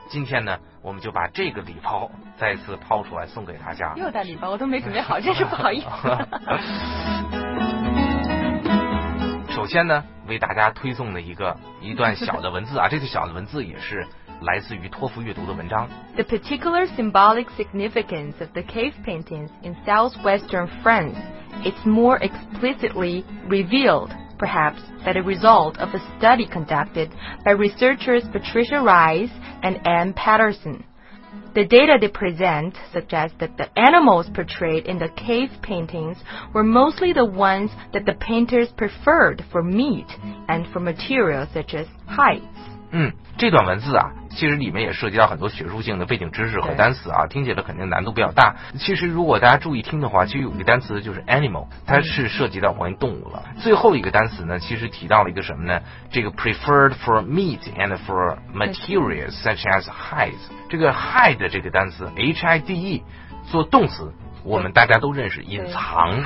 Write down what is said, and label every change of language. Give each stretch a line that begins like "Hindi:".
Chinese: 今天呢我们就把这个礼包再次抛出来送给大家。又带礼包，我都没准备好，真是不好意思。首先呢为大家推送的一段小的文字啊，这个小的文字也是来自于托福阅读的文章。
English: The particular symbolic significance of the cave paintings in southwestern France is more explicitly revealed perhaps by the result of a study conducted by researchers Patricia Rice and Anne Patterson. The data they present suggest that the animals portrayed in the cave paintings were mostly the ones that the painters preferred for meat and for material such as hides.
Chinese: 这段文字啊其实里面也涉及到很多学术性的背景知识和单词啊，听起来肯定难度比较大。其实如果大家注意听的话，其实有一个单词就是 animal， 它是涉及到关于动物了。最后一个单词呢其实提到了一个什么呢，这个
English: preferred for meat and for materials such as hides，
Chinese: 这个 hide 这个单词 HIDE 做动词我们大家都认识，隐藏